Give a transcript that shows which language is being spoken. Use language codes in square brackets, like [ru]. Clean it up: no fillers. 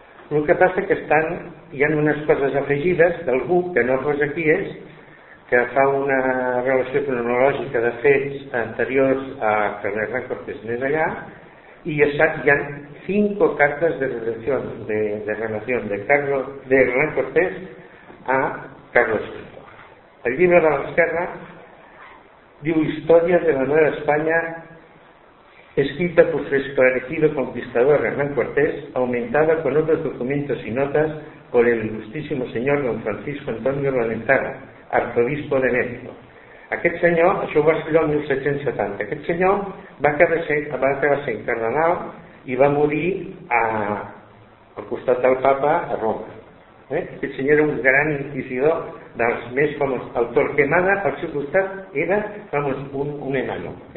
[ca] El que passa és que hi ha unes coses afegides d'algú que no fos aquí és, que fa una relació cronològica de fets anteriors a que Hernán Cortés anés allà, i ja sap, hi ha 5 cartes de relació de Hernán Cortés a Carlos V. El llibre de l'esquerra diu [es] Història de la Nueva España, escrita por su esclarecido conquistador Hernán Cortés, aumentada con otros documentos y notas por el ilustrísimo señor don Francisco Antonio Lorenzana, arzobispo de México. [ca] Aquest senyor, això ho va escriure el 1770, aquest senyor va acabar ser cardenal i va morir al costat del papa a Roma. Aquest senyor era un gran inquisidor dels més famosos. El Torquemada, al seu costat, era famós, un enano.